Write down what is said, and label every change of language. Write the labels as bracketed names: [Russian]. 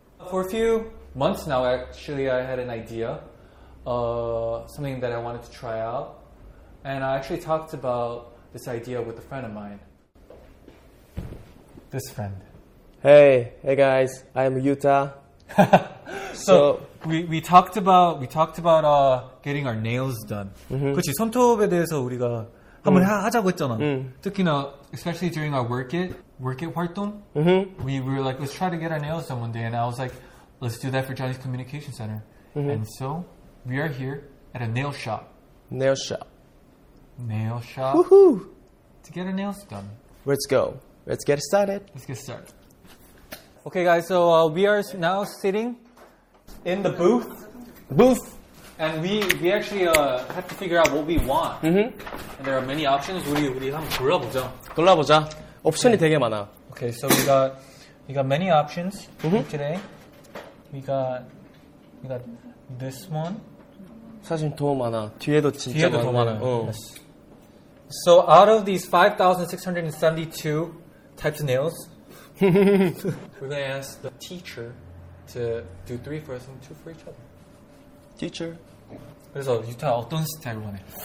[English] For a few months now, actually, I had an idea, something that I wanted to try out, and I actually talked about this idea with a friend of mine. This friend. Hey guys, I'm Yuta. So we talked about getting our nails done. Mm-hmm. [Korean] 그치, 손톱에 대해서 우리가 한번 하자고 했잖아. 특히나 [English] especially during our work it [Korean] 활동, [English] mm-hmm. we were like, let's try to get our nails done one day, and I was like, let's do that for Johnny's Communication Center. Mm-hmm. And so we are here at a nail shop. Woohoo! To get our nails done. Let's go. Let's get started. Okay, guys. So we are now sitting in the booth. And we actually have to figure out what we want. Mm-hmm. And there are many options. [Korean] 우리 한번 골라보자. 옵션이 okay. 되게 많아. [English] Okay, so we got many options. Mm-hmm. Today. We got this one. [Korean] 사진 더 많아. 뒤에도 진짜 많아. 뒤에도 더 많아. Yes. [English] So out of these 5,672 types of nails, we're going to ask the teacher to do three for us and two for each other. Teacher. [Korean] 그래서 유타 어떤 스타일 원해?